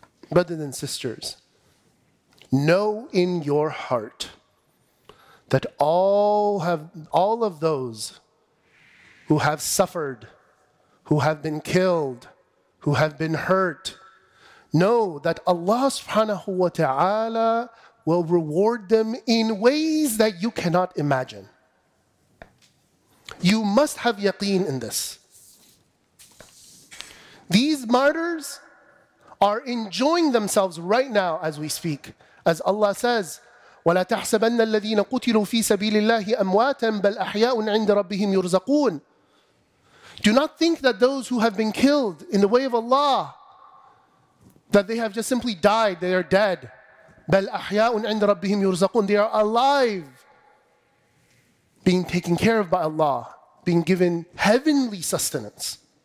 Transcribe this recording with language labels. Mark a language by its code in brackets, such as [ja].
[en] Brothers and sisters, know in your heart that all of those who have suffered, who have been killed, who have been hurt, know that Allah subhanahu wa ta'ala will reward them in ways that you cannot imagine. You must have yaqeen in this. These martyrs are enjoying themselves right now as we speak. As Allah says, [ar] وَلَا تَحْسَبَنَّ الَّذِينَ قُتِلُوا فِي سَبِيلِ اللَّهِ أَمْوَاتًا بَلْ أَحْيَاءٌ عِنْدَ رَبِّهِمْ يُرْزَقُونَ. [en] Do not think that those who have been killed in the way of Allah, that they have just simply died, they are dead. [ar] بَلْ أَحْيَاءٌ عِنْدَ رَبِّهِمْ يُرْزَقُونَ. [en] They are alive, being taken care of by Allah, being given heavenly sustenance.